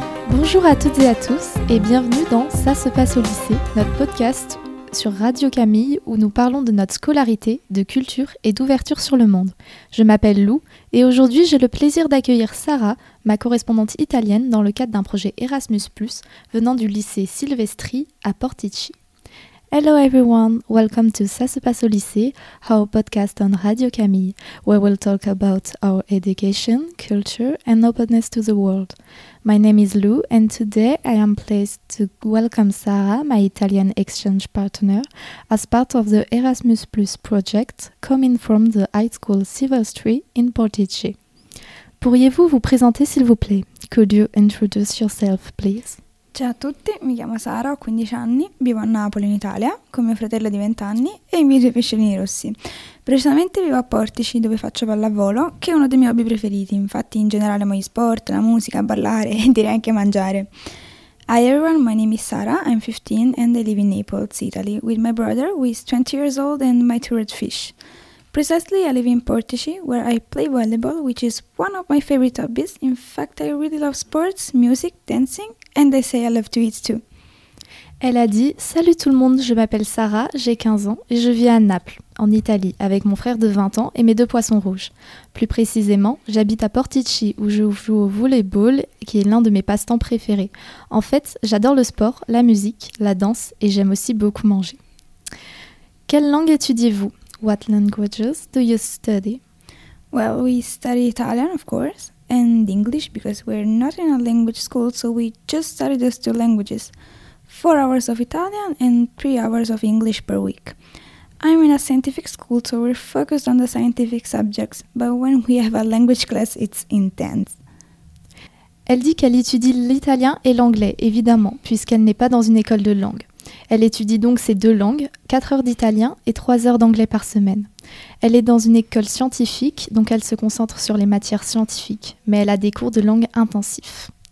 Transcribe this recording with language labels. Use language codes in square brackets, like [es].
[fr] Bonjour à toutes et à tous et bienvenue dans Ça se passe au lycée, notre podcast sur Radio Camille où nous parlons de notre scolarité, de culture et d'ouverture sur le monde. Je m'appelle Lou et aujourd'hui j'ai le plaisir d'accueillir Sarah, ma correspondante italienne dans le cadre d'un projet Erasmus+, venant du lycée Silvestri à Portici. [en] Hello everyone, welcome to Ça se passe au lycée, our podcast on Radio Camille, where we'll talk about our education, culture and openness to the world. My name is Lou and today I am pleased to welcome Sarah, my Italian exchange partner, as part of the Erasmus+ project coming from the high school Silvestri in Portici. [fr] Pourriez-vous vous présenter s'il vous plaît? [en] Could you introduce yourself please? [it] Ciao a tutti, mi chiamo Sara, ho 15 anni, vivo a Napoli in Italia con mio fratello di 20 anni e i miei due pesciolini rossi. Precisamente vivo a Portici dove faccio pallavolo, che è uno dei miei hobby preferiti, infatti in generale amo gli sport, la musica, ballare e direi anche mangiare. [en] Hi everyone, my name is Sara, I'm 15 and I live in Naples, Italy, with my brother who is 20 years old and my third fish. Precisely, I live in Portici, where I play volleyball, which is one of my favorite hobbies. In fact, I really love sports, music, dancing, and I say I love to eat too. [fr] Elle a dit « Salut tout le monde, je m'appelle Sarah, j'ai 15 ans et je vis à Naples, en Italie, avec mon frère de 20 ans et mes deux poissons rouges. Plus précisément, j'habite à Portici, où je joue au volleyball, qui est l'un de mes passe-temps préférés. En fait, j'adore le sport, la musique, la danse et j'aime aussi beaucoup manger. Quelle langue étudiez-vous ? [en] What languages do you study? Well, we study Italian, of course, and English because we're not in a language school, so we just study those two languages. 4 hours of Italian and 3 hours of English per week. I'm in a scientific school, so we're focused on the scientific subjects, but when we have a language class, it's intense. [fr] Elle dit qu'elle étudie l'italien et l'anglais, évidemment, puisqu'elle n'est pas dans une école de langue. Elle étudie donc ces deux langues, 4 heures d'italien et 3 heures d'anglais par semaine. Elle est dans une école scientifique, donc elle se concentre sur les matières scientifiques, mais elle a des cours de langue intensifs.